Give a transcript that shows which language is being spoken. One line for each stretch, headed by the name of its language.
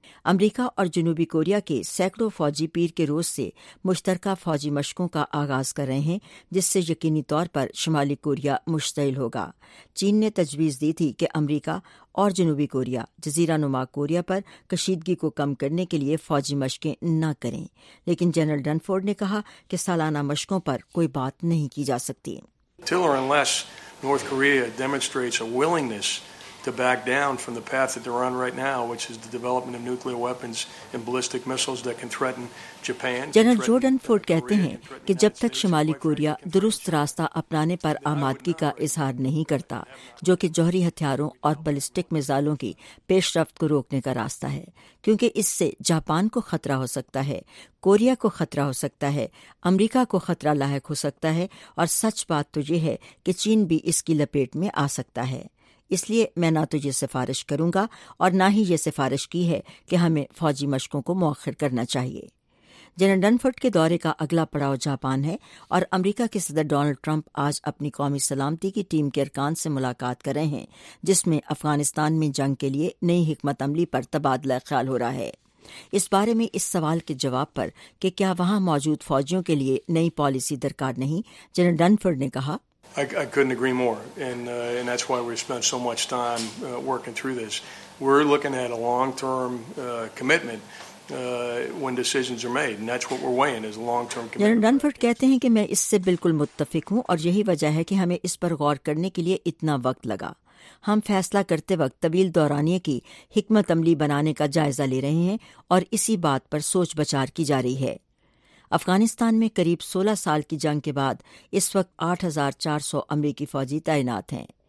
Urdu: امریکہ اور جنوبی کوریا کے سینکڑوں فوجی پیر کے روز سے مشترکہ فوجی مشقوں کا آغاز کر رہے ہیں، جس سے یقینی طور پر شمالی کوریا مشتعل ہوگا۔ چین نے تجویز دی تھی کہ امریکہ اور جنوبی کوریا جزیرہ نما کوریا پر کشیدگی کو کم کرنے کے لیے فوجی مشقیں نہ کریں، لیکن جنرل ڈنفورڈ نے کہا کہ سالانہ مشقوں پر کوئی بات نہیں کی جا سکتی۔
English: Till or unless North Korea demonstrates a willingness to back down from the path that they're on right now, which is the development of nuclear weapons and ballistic missiles that can threaten Japan.
Urdu: General جو Dunford کہتے ہیں کہ جب تک شمالی Korea درست راستہ اپنانے پر آمادگی کا اظہار نہیں کرتا، جو کہ جوہری ہتھیاروں اور بلسٹک میزائلوں کی پیش رفت کو روکنے کا راستہ ہے، کیونکہ اس سے جاپان کو خطرہ ہو سکتا ہے، کوریا کو خطرہ ہو سکتا ہے، امریکہ کو خطرہ لاحق ہو سکتا ہے، اور سچ بات تو یہ ہے کہ چین بھی اس کی لپیٹ میں آ سکتا ہے۔ اس لیے میں نہ تو یہ سفارش کروں گا اور نہ ہی یہ سفارش کی ہے کہ ہمیں فوجی مشقوں کو مؤخر کرنا چاہیے۔ جنرل ڈنفورڈ کے دورے کا اگلا پڑاؤ جاپان ہے، اور امریکہ کے صدر ڈونلڈ ٹرمپ آج اپنی قومی سلامتی کی ٹیم کے ارکان سے ملاقات کر رہے ہیں، جس میں افغانستان میں جنگ کے لیے نئی حکمت عملی پر تبادلہ خیال ہو رہا ہے۔ اس بارے میں اس سوال کے جواب پر کہ کیا وہاں موجود فوجیوں کے لیے نئی پالیسی درکار نہیں، جنرل ڈنفورڈ نے کہا،
English: I couldn't agree more, and that's why we spent so much time working through this. We're looking at a long-term commitment when decisions are made, and that's what we're weighing is a long-term commitment.
Urdu: General ڈنفرڈ کہتے ہیں کہ میں اس سے بالکل متفق ہوں اور یہی وجہ ہے کہ ہمیں اس پر غور کرنے کے لیے اتنا وقت لگا. ہم فیصلہ کرتے وقت طویل دورانیے کی حکمت عملی بنانے کا جائزہ لے رہے ہیں اور اسی بات پر سوچ بچار کی جا رہی ہے. افغانستان میں قریب 16 سال کی جنگ کے بعد اس وقت 8,400 امریکی فوجی تعینات ہیں.